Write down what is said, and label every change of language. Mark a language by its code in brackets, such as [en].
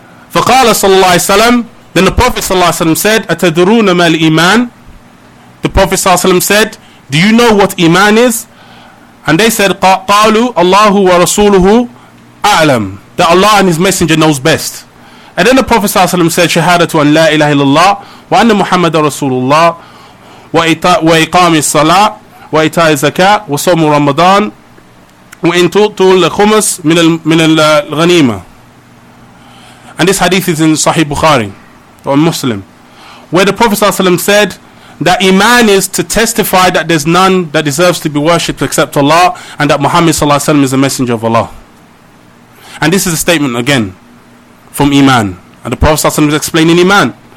[ar] فَقَالَ صَلَّى اللَّهِ عَلَيْهِ وَسَلَّمَ, [en] then the Prophet sallallahu alaihi wasallam said, [ar] أَتَدْرُونَ مَا الْإِيمَانِ, [en] the Prophet sallallahu alaihi wasallam said, do you know what iman is? And they said, [ar] قَالُوا اللَّهُ وَرَسُولُهُ أَعْلَمُ, [en] that Allah and His Messenger knows best. And then the Prophet sallallahu alaihi wasallam said, [ar] شَهَادَةُ أَنْ لَا إِلَهِ إِلَّا وَأَنَّ مُحَمَّدَ رَسُولُ اللَّهِ وَإِقَامِ الصَّلَاةِ وَإِيتَاءِ الزَّكَاةِ وَصَوْمُ رَمَضَانَ وَإِنْ تُؤْتُوا الْخُمُسَ مِنَ الْغَنِيمَةِ. [en] And this hadith is in Sahih Bukhari, or Muslim, where the Prophet ﷺ said that iman is to testify that there's none that deserves to be worshipped except Allah, and that Muhammad ﷺ is a messenger of Allah. And this is a statement, again, from iman. And the Prophet ﷺ is explaining iman.